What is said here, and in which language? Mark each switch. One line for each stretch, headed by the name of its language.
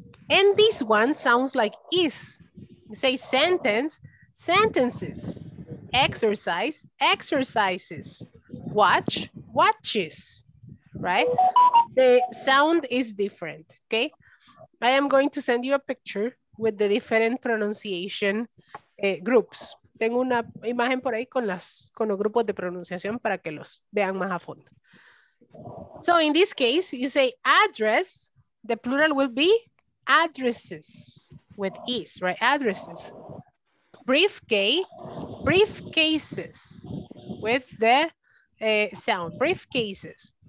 English: And this one sounds like is. You say sentence, sentences. Exercise, exercises. Watch, watches, right? The sound is different, okay? I am going to send you a picture with the different pronunciation groups.
Spanish: Tengo una imagen por ahí con las con los grupos de pronunciación para que los vean más a fondo.
English: So in this case, you say address, the plural will be addresses with is, right? Addresses. Briefcase, briefcases with the sound, briefcases.